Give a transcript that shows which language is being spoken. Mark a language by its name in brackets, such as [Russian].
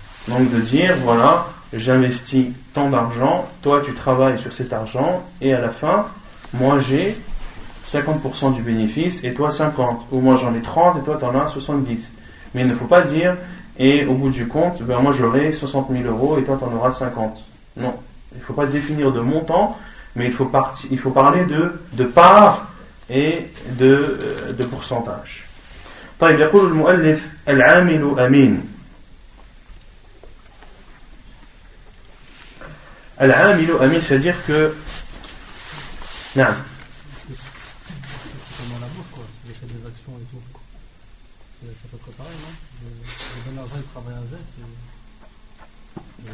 [French] Donc de dire, voilà, j'investis tant d'argent, toi tu travailles sur cet argent, et à la fin, moi j'ai 50% du bénéfice, et toi 50%, ou moi j'en ai 30%, et toi t'en as 70%. Mais il ne faut pas dire, et au bout du compte, ben moi j'aurai 60 000 euros, et toi t'en auras 50. Non, il ne faut pas définir de montant, mais il faut parler de part et de pourcentage. [Arabic] طيب يقول المؤلف العامل امين. العامل امين, [French] c'est-à-dire que c'est comme la bourse quoi, j'ai fait des actions et tout. C'est pas trop pareil, non? Je donne un vrai travail avec.